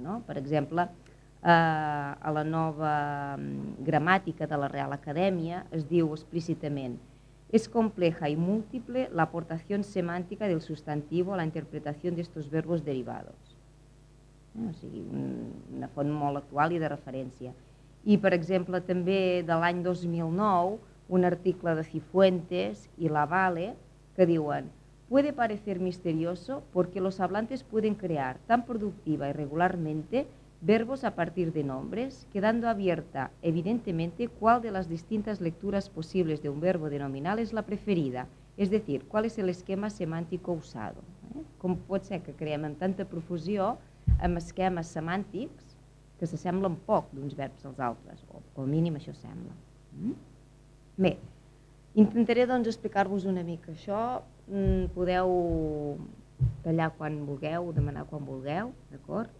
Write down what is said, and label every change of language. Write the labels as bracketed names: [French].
[Catalan] No? Per exemple, a la nova gramàtica de la Real Acadèmia es diu explícitament [Spanish] «Es compleja y múltiple la aportación semántica del sustantivo a la interpretación de estos verbos derivados». [Catalan] O sigui, una font molt actual i de referència. I, per exemple, també de l'any 2009, un article de Cifuentes i Lavalle que diuen [Spanish] puede parecer misterioso porque los hablantes pueden crear tan productiva y regularmente verbos a partir de nombres, quedando abierta, evidentemente, cuál de las distintas lecturas posibles de un verbo denominal es la preferida, es decir, cuál es el esquema semántico usado. [Catalan] Com pot ser que creem amb tanta profusió amb esquemes semàntics que s'assemblen poc d'uns verbs als altres, o al mínim això sembla. Bé, intentaré doncs explicar-vos una mica això. Podeu tallar quan vulgueu, demanar quan vulgueu, d'acord?